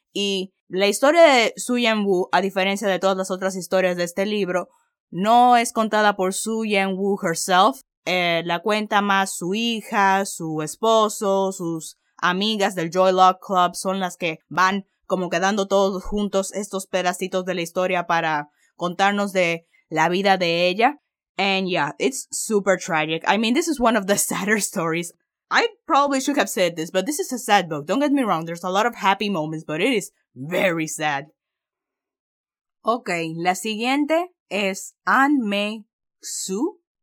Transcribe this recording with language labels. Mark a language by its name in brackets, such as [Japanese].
[Spanish] Y la historia de Su Yan-Wu, a diferencia de todas las otras historias de este libro, no es contada por Su Yan-Wu [English] herself. [Spanish] La cuenta más su hija, su esposo, sus amigas del Joy Luck Club son las que van como quedando todos juntos estos pedacitos de la historia para contarnos de la vida de ella. [English] And yeah, it's super tragic. I mean, this is one of the sadder stories. I probably should have said this, but this is a sad book. Don't get me wrong, there's a lot of happy moments, but it is very sad. [Spanish] Okay, la siguiente es An Mei Su.